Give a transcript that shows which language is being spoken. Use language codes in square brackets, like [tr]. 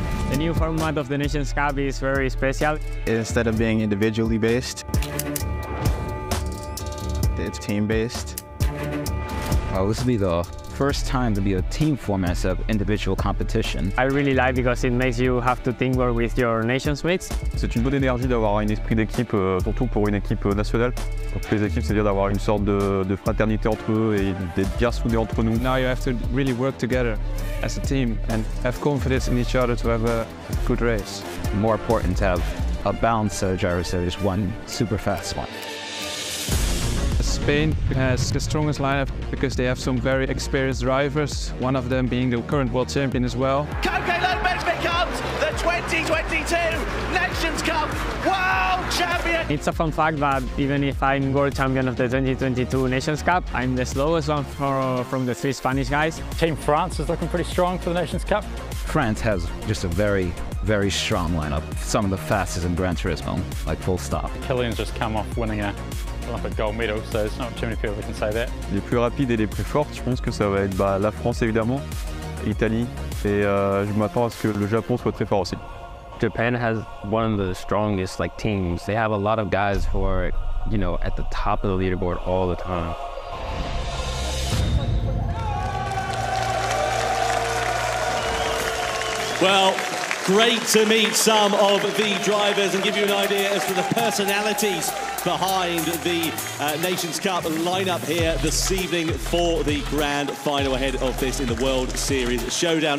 [en] The new format of the Nations Cup is very special. Instead of being individually based, it's team based. Obviously though, first time to be a team format of individual competition. I really like because it makes you have to think well with your nation's mates. [fr] C'est une bonne énergie d'avoir un esprit d'équipe, surtout pour une équipe nationale. Pour toutes les équipes, c'est-à-dire d'avoir une sorte de fraternité entre eux et d'être bien soudés entre nous. [en] Now you have to really work together as a team and have confidence in each other to have a good race. More important to have a balanced set of drivers than just one super fast one. Spain has the strongest lineup because they have some very experienced drivers, one of them being the current world champion as well. Coque López becomes the 2022 Nations Cup World Champion! It's a fun fact that even if I'm world champion of the 2022 Nations Cup, I'm the slowest one from the three Spanish guys. Team France is looking pretty strong for the Nations Cup. France has just a very, very strong lineup. Some of the fastest in Gran Turismo, like full stop. Kylian's just come off winning it. Olympic gold medal, so there's not too many people that can say that. [fr] Les plus rapides et les plus fortes, je pense que ça va être bah, la France évidemment, Italie, et je m'attends à ce que le Japon soit très fort aussi. [en] Japan has one of the strongest like teams. They have a lot of guys who are, you know, at the top of the leaderboard all the time. Well, great to meet some of the drivers and give you an idea as to the personalities behind the Nations Cup lineup here this evening for the grand final ahead of this in the World Series Showdown.